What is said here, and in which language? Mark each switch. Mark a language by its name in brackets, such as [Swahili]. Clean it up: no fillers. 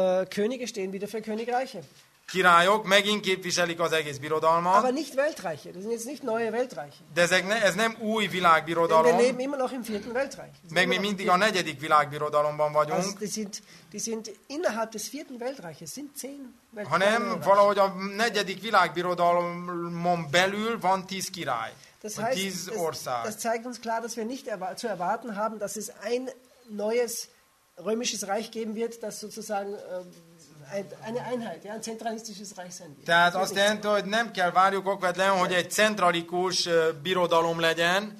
[German] Könige stehen wieder für Königreiche. [Hungarian] Királyok megint képviselik az egész birodalmat. [German] Aber nicht Weltreiche, das sind jetzt nicht neue Weltreiche. [Hungarian] De ez nem új világbirodalom. [German] Wir leben immer noch im vierten Weltreich. [Hungarian] Meg mi mindig a negyedik világbirodalomban vagyunk. [German] Also die sind innerhalb des vierten Weltreiches, sind 10 Weltreiche. [Hungarian] Hanem valahogy a negyedik világbirodalomon belül van 10 király. [German] Das heißt, das zeigt uns klar, dass wir nicht zu erwarten haben, dass es ein neues römisches Reich geben wird, das sozusagen eine Einheit, ja, ein zentralistisches Reich sein wird. [Hungarian] Tehát azt jelenti, hogy nem kell várjuk okvetlen, hogy egy centralikus birodalom legyen.